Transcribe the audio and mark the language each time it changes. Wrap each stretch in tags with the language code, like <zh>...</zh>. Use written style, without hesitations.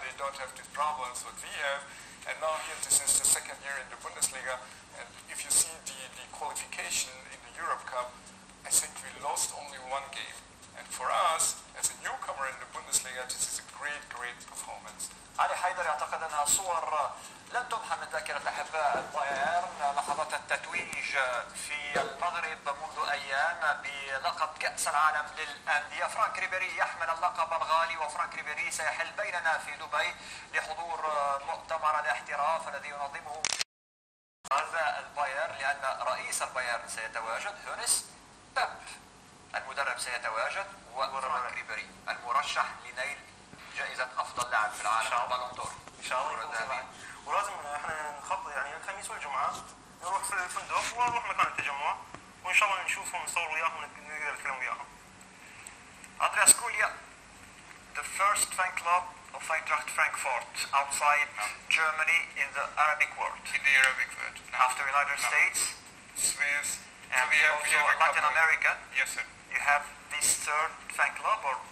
<en>They don't have these problems what we have. And now here, this is the second year in the Bundesliga. And if you see the qualification in the Europe Cup, I think we lost only one game. And for us, as a newcomer in the Bundesliga, this is a great, great performance.</en> <ar>علي حيدر يعتقد أنها صور لن تمحى من ذاكرة أحباء بايرن. لحظات التتويج في المغرب منذ أيام بلقب كأس العالم للأندية. فرانك ريبيري يحمل اللقب الغالي وفرانك ريبيري سيحل بيننا في دبي لحضور مؤتمر الاحتراف الذي ينظمه غزاء البايرن لأن رئيس البايرن سيتواجد هونس باب المدرب سيتواجد وفرانك ريبيري المرشح لنيل جائزة أفضل لاعب في العالم بالون دور إن شاء الله. ولازم إحنا نخطط يعني الخميس والجمعة نروح في الفندق ونروح مكان التجمع وإن شاء الله نشوفهم نصور وياهم نقدر نتكلم وياهم.</ar> <en>Andreas كوليا the first fan club of Eintracht Frankfurt outside Germany in the Arabic world. In the Arabic world. No. After United States, Swiss, and also Latin America. Yes, sir. You have this third fan club or?</en>